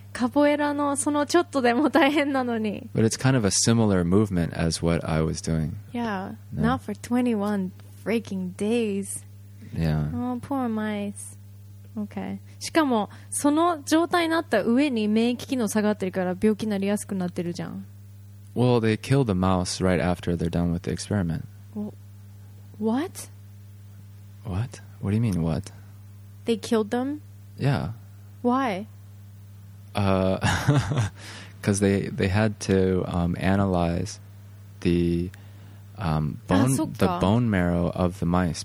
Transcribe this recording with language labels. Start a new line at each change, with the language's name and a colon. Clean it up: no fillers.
Japanese: カポエラのそのちょっとでも大変なのに。
English: But it's kind of a similar movement as what I was doing. Yeah. No. Not for 21 freaking days. Yeah. Oh, poor mice. Okay.
Japanese: しかもその状態になった上に免疫機能下がってるから病気になりやすくなってるじゃん。
English: Well, they kill the mouse right after they're done with the experiment. What? What? What do you mean, what? They killed them? Yeah. Why? Because they had to analyze the bone marrow of the mice.